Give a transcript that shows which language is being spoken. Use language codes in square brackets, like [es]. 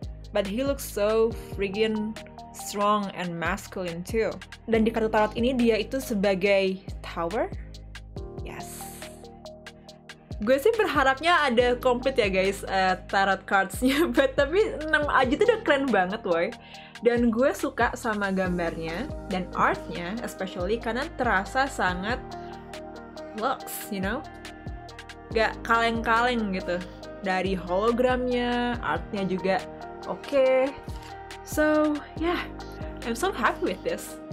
[en] But he looks so freaking strong and masculine too. [id] Dan di kartu tarot ini dia itu sebagai tower? Yes. Gue sih berharapnya ada komplit ya guys tarot cards-nya. But tapi 6 aja tuh udah keren banget woy. Dan gue suka sama gambarnya dan art-nya especially karena terasa sangat looks, you know, gak kaleng-kaleng gitu. Dari hologramnya, artnya juga oke. [en] So, yeah, I'm so happy with this.